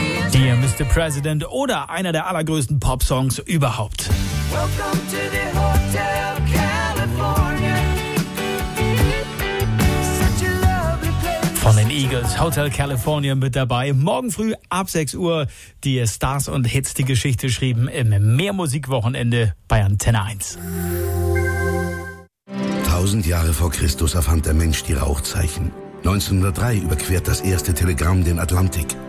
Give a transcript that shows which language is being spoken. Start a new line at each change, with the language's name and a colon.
German: Dear Mr. President oder einer der allergrößten Popsongs überhaupt.
English: Welcome to the Hotel California. Such a lovely place.
German: Von den Eagles, Hotel California mit dabei. Morgen früh ab 6 Uhr die Stars und Hits, die Geschichte schrieben im Mehrmusikwochenende bei Antenne 1. 1000 Jahre vor Christus erfand der Mensch die Rauchzeichen. 1903 überquert das erste Telegramm den Atlantik.